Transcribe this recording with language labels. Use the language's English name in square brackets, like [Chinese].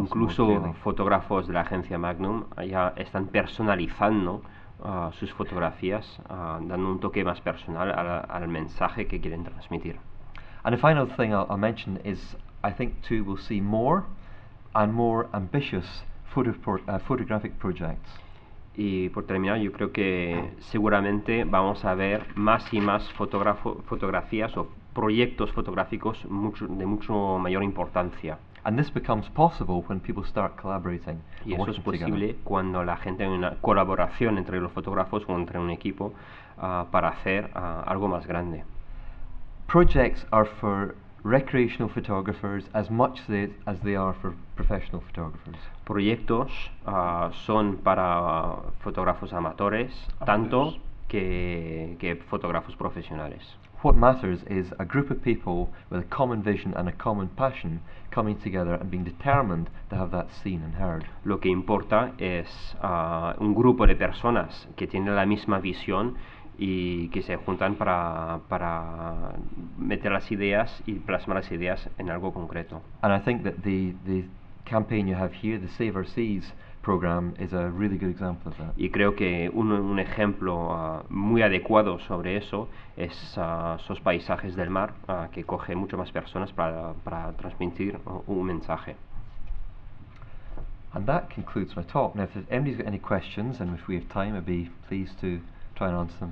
[Spanish] Incluso fotógrafos de la agencia Magnum ya están personalizando sus fotografías, dando un toque más personal al mensaje que quieren transmitir. [English] And the final thing I'll mention is, I think too we'll see more and more ambitious photographic projects. [Spanish] Y por terminar, yo creo que seguramente vamos a ver más y más fotografías o proyectos fotográficos de mucho mayor importancia. [English] And this becomes possible when people start collaborating. [Spanish] Y eso es posible cuando la gente tiene una colaboración entre los fotógrafos o entre un equipo para hacer algo más grande. [English] Projects are for recreational photographers as much as they are for professional photographers. [Spanish] Proyectos son para fotógrafos amateurs, tanto que fotógrafos profesionales. [English] What matters is a group of people with a common vision and a common passion coming together and being determined to have that seen and heard. [Spanish] Lo que importa es un grupo de personas que tienen la misma visión y que se juntan para meter las ideas y plasmar las ideas en algo concreto. [English] And I think that the campaign you have here, the Save Our Seas program, is a really good example of that. [Spanish] Y creo que un ejemplo muy adecuado sobre eso es esos paisajes del mar que coge mucho más personas para transmitir un mensaje. [English] And that concludes my talk. Now, if anybody's got any questions, and if we have time, I'd be pleased to try and answer them.